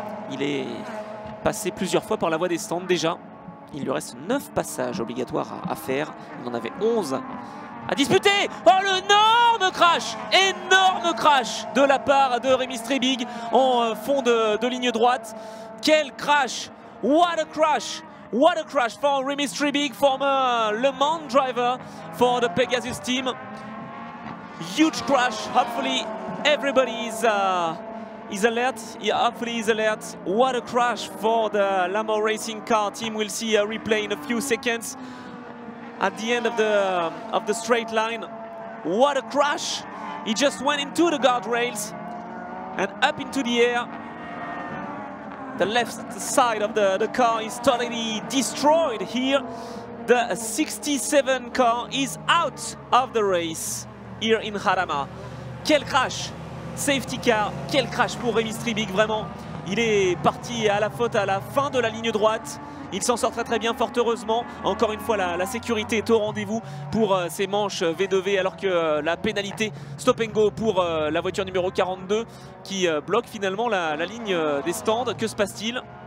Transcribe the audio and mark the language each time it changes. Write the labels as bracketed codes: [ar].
[fr] Il est passé plusieurs fois par la voie des stands déjà. Il lui reste 9 passages obligatoires à faire. Il en avait 11 à disputer. Oh, l'énorme crash! Énorme crash de la part de Rémy Strebig en fond de ligne droite. Quel crash! [en] What a crash! What a crash for Rémy Strebig, former Le Mans driver for the Pegasus team. Huge crash. Hopefully everybody is alert. Yeah, hopefully he's alert. What a crash for the Lamo Racing car team. We'll see a replay in a few seconds at the end of the straight line. What a crash! He just went into the guardrails and up into the air. The left side of the car is totally destroyed here. The 67 car is out of the race here in Jarama. [fr] Quel crash! Safety car, quel crash pour Rémy Strebig, vraiment. Il est parti à la faute à la fin de la ligne droite. Il s'en sort très très bien, fort heureusement. Encore une fois, la sécurité est au rendez-vous pour ces manches V2V, alors que la pénalité stop and go pour la voiture numéro 42 qui bloque finalement la ligne des stands. Que se passe-t-il?